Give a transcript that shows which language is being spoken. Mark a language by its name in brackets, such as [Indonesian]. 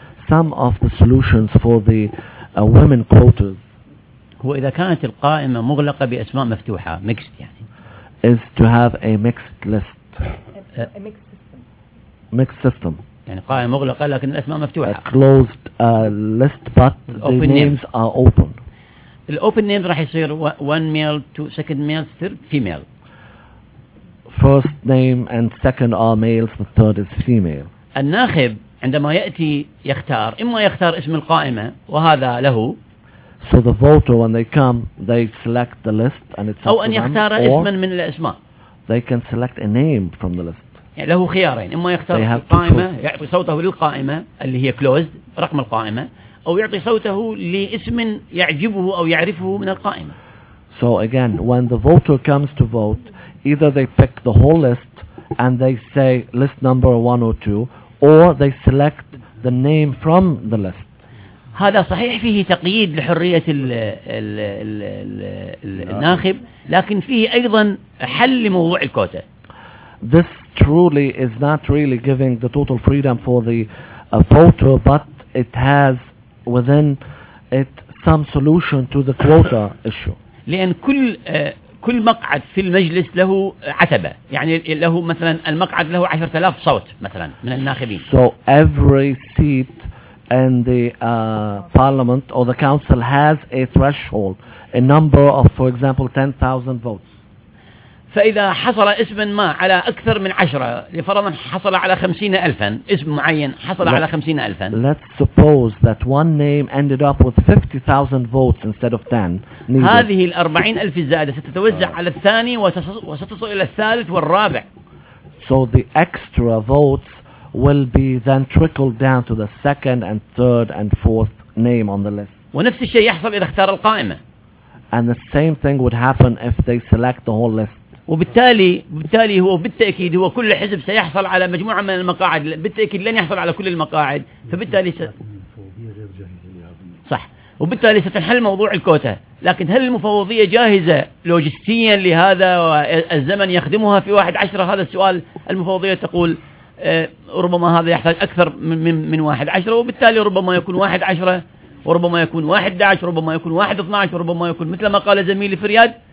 [English] Some of the solutions for the women quotas. [Arabic] هو إذا كانت القائمة مغلقة بأسماء مفتوحة mixed يعني. [English] Is to have a mixed list. A mixed system. Mixed system. [Arabic] يعني قائمة مغلقة لكن الأسماء مفتوحة. [English] A closed list but the names are open. الopen names [Arabic] راح يصير [English] one male, two, second male, third female. First name and second are males, the third is female. [Arabic] الناخب عندما يأتي يختار إما يختار اسم القائمة وهذا له. [English] So the voter when they come they select the list and it's up to them. [Arabic] أو أن يختار اسما من الأسماء. [English] They can select a name from the list. [Arabic] يعني له خيارين إما يختار القائمة يعطي صوته للقائمة اللي هي closed رقم القائمة. أو يعطي صوته لاسم يعجبه أو يعرفه من القائمة. [English] So again, when the voter comes to vote, either they pick the whole list and they say list number one or two, or they select the name from the list. [Arabic] هذا صحيح فيه تقييد لحرية الناخب، لكن فيه أيضا حل لموضوع الكوتا. [English] This truly is not really giving the total freedom for the voter, but it has within it some solution to the quota issue. [Arabic] لأن كل مقعد في المجلس له عتبة يعني له مثلا المقعد له 10,000 صوت مثلا من الناخبين. [English] So every seat in the parliament or the council has a threshold, a number of for example 10,000 votes. [Arabic] فإذا حصل اسما ما على أكثر من 10 لفرضا حصل على 50,000 اسم معين حصل على 50,000. [English] Let's suppose that one name ended up with 50,000 votes instead of 10. [Arabic] هذه 40,000 الزائدة ستتوزع على الثاني وستصل إلى الثالث والرابع. [English] So the extra votes will be then trickled down to the second and third and fourth name on the list. [Arabic] ونفس الشيء يحصل إذا اختار القائمة. [English] And the same thing would happen if they select the whole list. [Arabic] وبالتالي هو بالتأكيد هو كل حزب سيحصل على مجموعة من المقاعد بالتأكيد لن يحصل على كل المقاعد فبالتالي صح وبالتالي ستنحل موضوع الكوتا لكن هل المفوضية جاهزة لوجستيا لهذا والزمن يخدمها في 11 هذا السؤال المفوضية تقول ربما هذا يحتاج أكثر من 11 وبالتالي ربما يكون 11 وربما يكون 11 ربما يكون 12 ربما يكون مثل ما قال زميلي فرياد